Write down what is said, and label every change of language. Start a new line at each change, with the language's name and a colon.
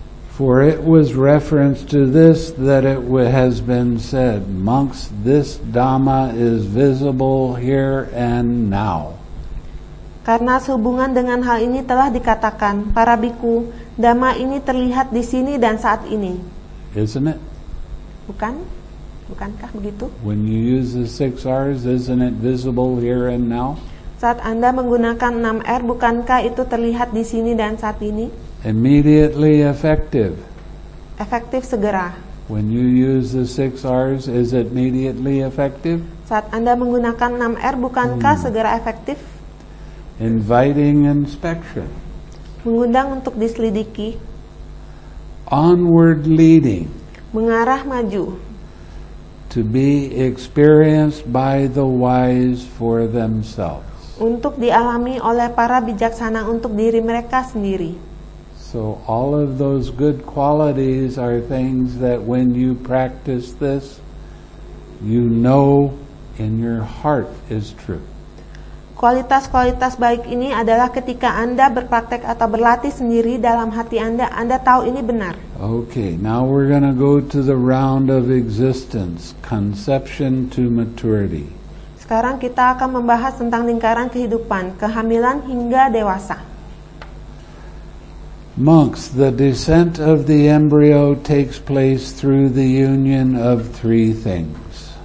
English: For it was reference to this that it has been said, monks, this Dhamma is visible here and now.
Indonesian: Karena sehubungan dengan hal ini telah dikatakan, para bhikkhu, Dhamma ini terlihat di sini dan saat ini.
English: Isn't it?
Indonesian: Bukan? Bukankah begitu?
English: When you use the 6 R's, isn't it visible here and now?
Indonesian: Saat Anda menggunakan 6 R, bukankah itu terlihat di sini dan saat ini?
English: Immediately effective.
Indonesian: Efektif segera.
English: When you use the 6 R's, is it immediately effective?
Indonesian: Saat Anda menggunakan 6 R, bukankah segera efektif?
English: Inviting inspection.
Indonesian: Mengundang untuk diselidiki.
English: Onward leading.
Indonesian: Mengarah maju.
English: To be experienced by the wise for themselves.
Indonesian: Untuk dialami oleh para bijaksana untuk diri mereka sendiri.
English: So all of those good qualities are things that when you practice this, you know in your heart is true.
Indonesian: Kualitas-kualitas baik ini adalah ketika Anda berpraktek atau berlatih sendiri dalam hati Anda, Anda tahu ini benar.
English: Okay, now we're going to go to the round of existence, conception to maturity.
Indonesian: Sekarang kita akan membahas tentang lingkaran kehidupan, kehamilan hingga dewasa.
English: Monks, the descent of the embryo takes place through the union of 3 things.